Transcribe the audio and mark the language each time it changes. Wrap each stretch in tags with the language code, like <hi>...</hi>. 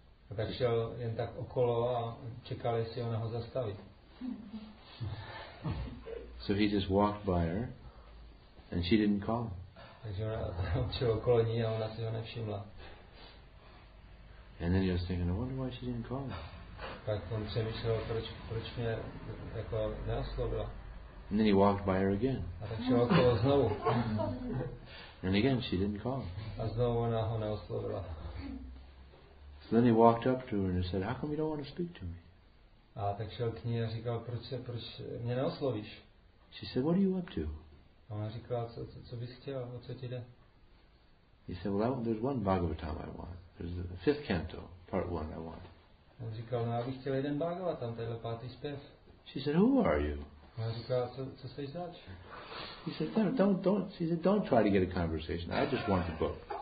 <cs>A tak šel jen tak okolo a čekal, jestli ona ho zastaví.</cs> <en>So he just walked by her and she didn't call.</en> <cs>Takže ona šel okolo ní a ona si ho nevšimla.</cs> <en>And then he was thinking, I wonder why she didn't call.</en> <cs>Tak on přemýšlel, proč mě jako neoslovila.</cs> <en>And then he walked by her again.</en> <cs>A tak šel okolo znovu.</cs> <en>And again, she didn't call.</en> <cs>A znovu ona ho neoslovila.</cs> <en>So then he walked up to her and he said, "How come you don't want to speak to me?"</en> <cs>A tak šel k ní a říkal, proč mě neoslovíš?</cs> <en>She said, "What are you up to?"</en> <cs>A ona říkala, co bys chtěl, o co ti jde?</cs> <en>He said, "Well, there's one Bhagavatam I want. There's the fifth canto, part one I want."</en> <cs>On říkal, no, já bych chtěl jeden Bhagavatam, tenhle pátý zpěv.</cs> <en>She said, "Who are you?"</en> <cs>A říkala, co se jí zač?</cs> <en>He said, no, don't. She said, don't try to get a conversation. I just want the book.</en>